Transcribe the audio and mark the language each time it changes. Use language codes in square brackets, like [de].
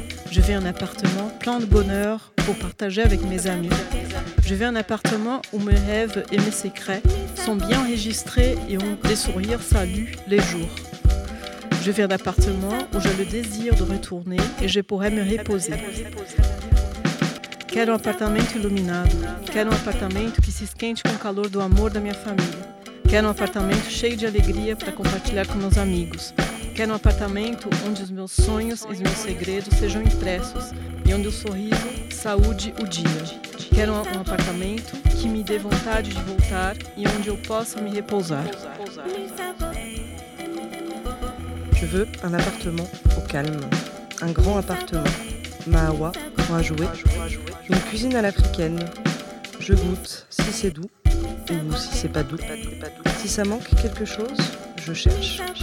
[fr] Je vais à un appartement plein de bonheur pour partager avec mes amis. Je vais à un appartement où mes rêves et mes secrets sont bien enregistrés et où des sourires saluent les jours. Je vais à un appartement où j'ai le désir de retourner et je pourrai me reposer. [pt] Quero apartamento iluminado. Quero apartamento que se esquente com o calor do amor da minha família. Quero apartamento cheio de alegria para compartilhar com meus amigos. Quero apartamento onde os meus sonhos e os meus segredos sejam impressos e onde o sorriso saúde o dia. Quero um apartamento que me dê vontade de voltar e onde eu possa me repousar. [fr] Je veux un appartement au calme, un grand appartement, mahawa pour jouer, une cuisine à l'africaine. Je goûte si c'est doux ou si c'est pas doux. Si ça manque quelque chose, je cherche.